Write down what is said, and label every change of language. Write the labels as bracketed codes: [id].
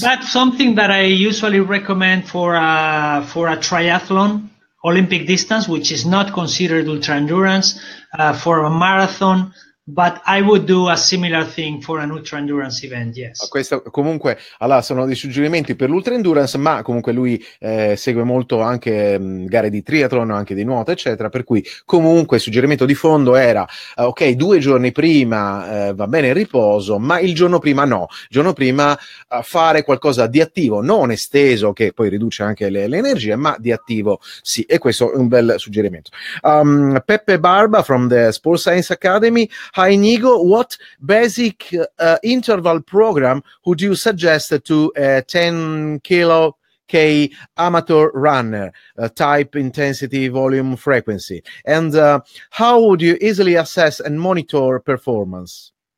[en] That's something that I usually recommend for a triathlon, Olympic distance, which is not considered ultra endurance, for a marathon. But I would do a similar thing for an ultra endurance event, yes. [it] Questo comunque, allora, sono dei suggerimenti per l'ultra endurance, ma comunque lui segue molto anche gare di triathlon, anche di nuoto, eccetera, per cui comunque il suggerimento di fondo era ok, 2 giorni prima va bene il riposo, ma il giorno prima no, il giorno prima fare qualcosa di attivo, non esteso, che poi riduce anche le energie, ma di attivo sì, e questo è un bel suggerimento. [en] Peppe Barba from the Sports Science Academy. Hi Nigo, what basic interval program would you suggest to a 10K amateur runner, type, intensity, volume, frequency? And how would you easily assess and monitor performance?